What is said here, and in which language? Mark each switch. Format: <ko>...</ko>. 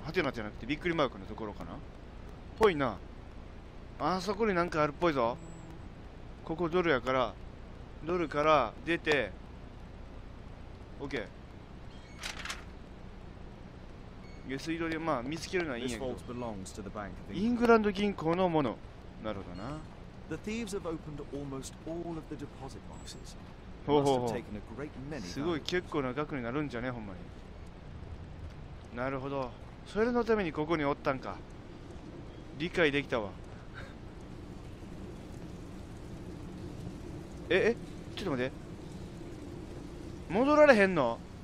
<ja>ハテナじゃなくてびっくりマークのところかな。ぽいな。あそこになんかあるっぽいぞ。ここドルやから、ドルから出て、オッケー。下水道でまあ見つけるのはいいんやけど。イングランド銀行のもの。なるほどな。</ja> <en>The thieves have opened almost all of the deposit boxes. Must have taken a great many.</en> <ja>すごい結構な額になるんじゃね、ほんまに。なるほど。それのためにここにおったんか。理解できたわ。え、え、ちょっと待って。戻られへんの？</ja>